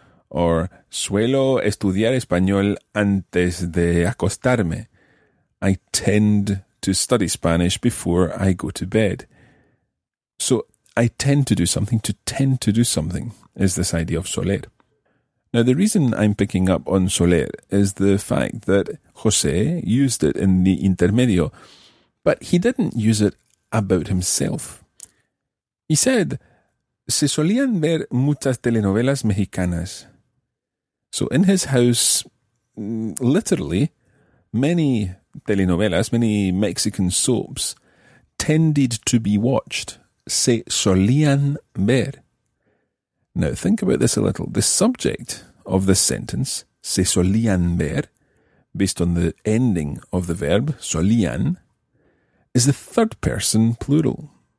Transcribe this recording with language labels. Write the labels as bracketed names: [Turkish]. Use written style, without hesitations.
[Spanish] Or, suelo estudiar español antes de acostarme. [English] I tend to study Spanish before I go to bed. So, I tend to do something, to tend to do something, is this idea of soler. Now, the reason I'm picking up on soler is the fact that José used it in the intermedio, but he didn't use it about himself. He said, [Spanish] se solían ver muchas telenovelas mexicanas. [English] So in his house, literally, many telenovelas, many Mexican soaps, tended to be watched. [Spanish] Se solían ver. [English] Now, think about this a little. The subject of this sentence, [Spanish] se solían ver, [English] based on the ending of the verb, [Spanish] solían, [English] is the third person plural.